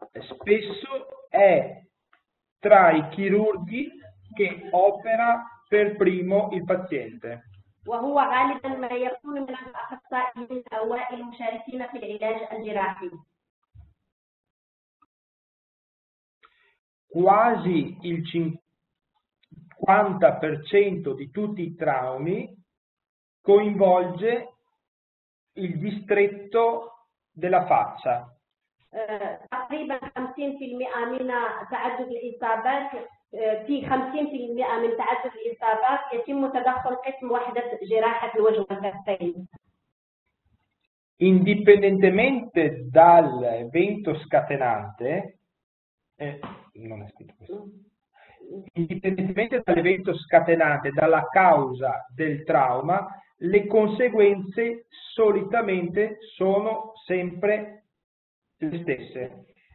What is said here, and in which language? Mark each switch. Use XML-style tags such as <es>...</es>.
<it>Spesso è tra i chirurghi che opera per primo il paziente.</it> <ar>وهو غالبا ما يكون من الاخصائيين الاوائل المشاركين في العلاج الجراحي.</ar> <it>Quasi il 50% di tutti i traumi coinvolge il distretto della faccia.</it> <ar>تقريبا 50% من تعدد الإصابات في 50% من تعدد الإصابات يتم تدخل قسم وحدة جراحة الوجه والكفين.</ar> <it>Indipendentemente dal evento scatenante non è scritto questo. Indipendentemente dall'evento scatenante, dalla causa del trauma, le conseguenze solitamente sono sempre le stesse.</it>